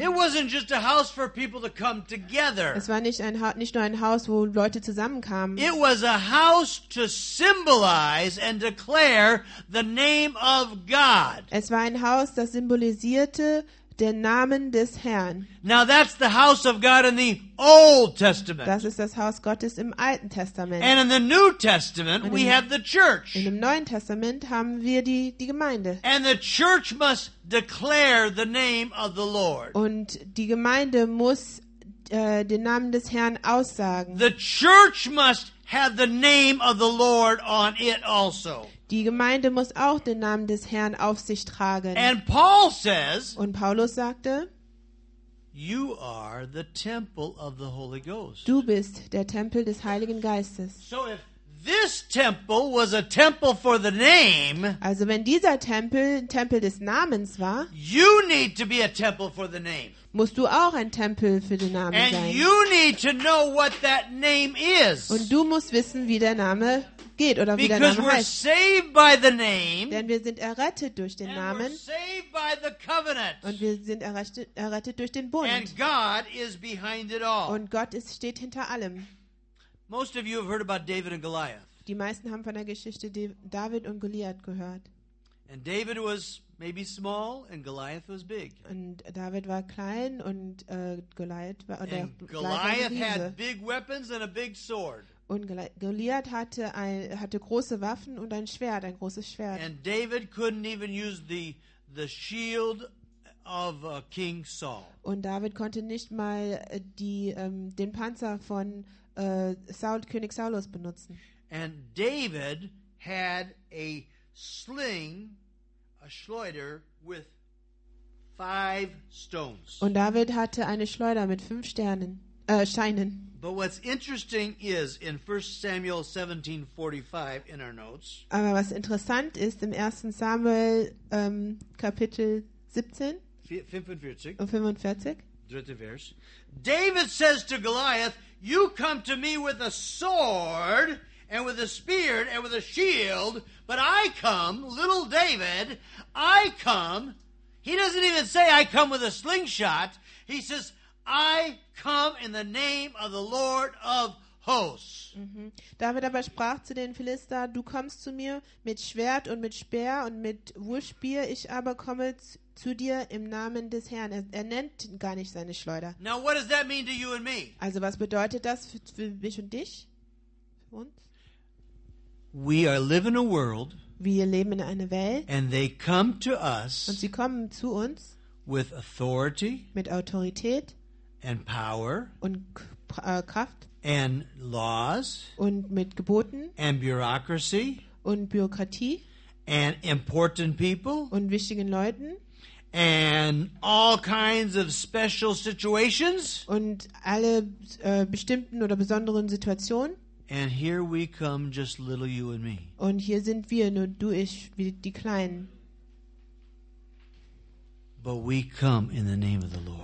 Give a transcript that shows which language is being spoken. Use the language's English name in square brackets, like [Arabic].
[English] It wasn't just a house for people to come together. [German] Es war nicht nur ein Haus, wo Leute zusammenkamen. [English] It was a house to symbolize and declare the name of God. [German] Es war ein Haus, das symbolisierte den Namen des Herrn. [English] Now that's the house of God in the Old Testament. [German] Das ist das Haus Gottes im Alten Testament. [English] And in the New Testament we have the church. [German] In dem Neuen Testament haben wir die Gemeinde. [English] And the church must declare the name of the Lord. [German] Und die Gemeinde muss den Namen des Herrn aussagen. [English] The church must have the name of the Lord on it also. [German] Die Gemeinde muss auch den Namen des Herrn auf sich tragen. [English] And Paul says, [German] und Paulus sagte, [English] you are the temple of the Holy Ghost. [German] Du bist der Tempel des Heiligen Geistes. [English] So if this temple was a temple for the name, [German] also wenn dieser Tempel ein Tempel des Namens war, [English] you need to be a temple for the name. [German] Musst du auch ein Tempel für den Namen [English] and [German] sein. [English] You need to know what that name is. [German] Und du musst wissen, wie der Name ist. Geht, oder wie [English] because [German] der Name [English] we're [German] heißt. [English] Saved by the name, [German] denn wir sind errettet durch den [English] and [German] Namen, [English] we're saved by the covenant. [German] Und wir sind errettet durch den Bund. [English] And God is behind it all. [German] Und Gott steht hinter allem. [English] Most of you have heard about David and Goliath. [German] Die meisten haben von der Geschichte David und Goliath gehört. [English] And David was maybe small, and Goliath was big. [German] Und David war klein und Goliath war oder [English] and Goliath had big weapons and a big sword. [German] Und Goliath hatte große Waffen und ein Schwert, ein großes Schwert. [English] And David couldn't even use the shield of King Saul. [German] Und David konnte nicht mal den Panzer von König Saulus benutzen. [English] And David had a sling, a Schleuder with 5 stones. [German] Und David hatte eine Schleuder mit 5 Sternen. Scheinen. [English] But what's interesting is in 1 Samuel 17:45 in our notes. [German] Aber was interessant ist im 1. Samuel Kapitel 17 45. Dritte Vers. [English] David says to Goliath, "You come to me with a sword and with a spear and with a shield, but I come, little David, I come." He doesn't even say I come with a slingshot. He says I come in the name of the Lord of hosts. Mm-hmm. [German] David aber sprach zu den Philister, du kommst zu mir mit Schwert und mit Speer und mit Wurfspeer, ich aber komme zu dir im Namen des Herrn. Er nennt gar nicht seine Schleuder. [English] Now what does that mean to you and me? [German] Also was bedeutet das für mich und dich? Für uns? [English] We are living in a world. [German] Wir leben in einer Welt. [English] And they come to us. [German] Und sie kommen zu uns. [English] With authority, [German] mit Autorität, [English] and power, [German] und Kraft, [English] and laws, [German] und mit Geboten, [English] and bureaucracy, [German] und Bürokratie, [English] and important people, [German] und wichtigen Leuten, [English] and all kinds of special situations, [German] und alle bestimmten oder besonderen Situationen. [English] And here we come, just little you and me. [German] Und hier sind wir nur du, ich, wie die Kleinen. [English] But we come in the name of the Lord.